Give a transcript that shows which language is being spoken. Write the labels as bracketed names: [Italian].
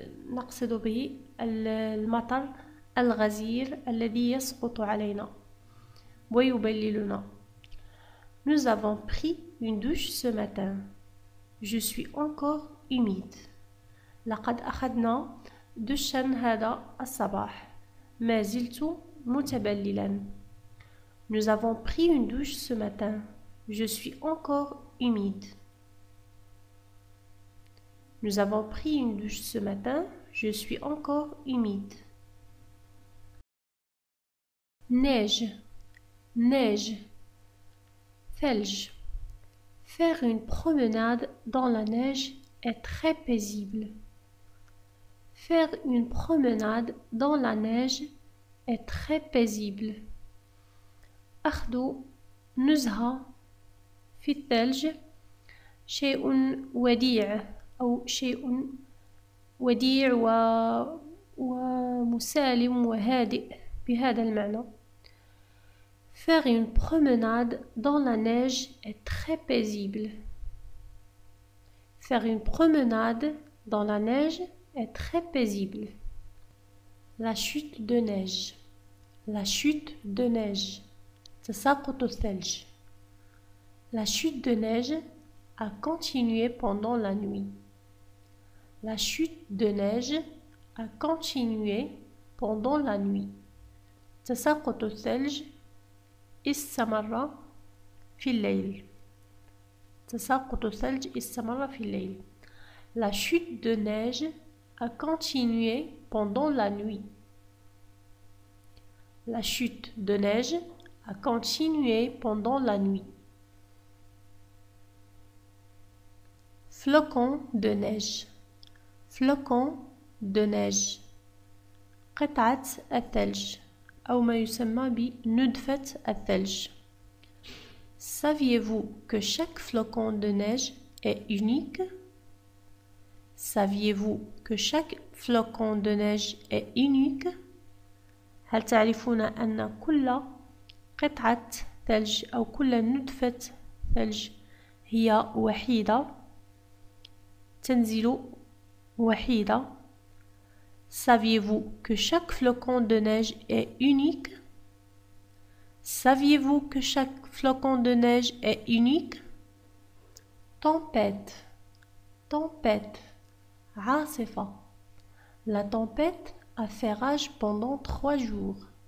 [Arabic] نقصد به المطر الغزير الذي يسقط علينا ويبللنا. [French] Nous avons pris une douche ce matin. Je suis encore humide. [Arabic] لقد أخذنا دشا هذا الصباح. ما زلت متبللا. [French] Nous avons pris une douche ce matin. Je suis encore humide. Nous avons pris une douche ce matin. Je suis encore humide. Neige. Neige. Felge. Faire une promenade dans la neige est très paisible. Faire une promenade dans la neige est très paisible. [Arabic] أخذ نزهة في الثلج شيء وديع أو شيء وديع ومسالم وهادئ بهذا المعنى. [French] Faire une promenade dans la neige est très paisible. Faire une promenade dans la neige est très paisible. La chute de neige. La chute de neige. [Arabic] تساقط الثلج. [French] La chute de neige a continué pendant la nuit. La chute de neige a continué pendant la nuit. [Arabic] تساقط الثلج استمر في الليل. تساقط الثلج استمر في الليل. [French] La chute de neige a continué pendant la nuit. La chute de neige a continué pendant la nuit. Flocon de neige. Flocon de neige. قطعة الثلج أو ما يسمى بندفة الثلج. Saviez-vous que chaque flocon de neige est unique? Saviez-vous que chaque flocon de neige est unique? [Arabic] هل تعرفون أن كل قطعة ثلج أو كل ندفة ثلج هي وحيدة تنزل وحيدة؟ [French] Saviez-vous que chaque flocon de neige est unique? Saviez-vous que chaque flocon de neige est unique? Tempête. Tempête. [Arabic] عاصفة. [French] La tempête a fait rage pendant 3 jours.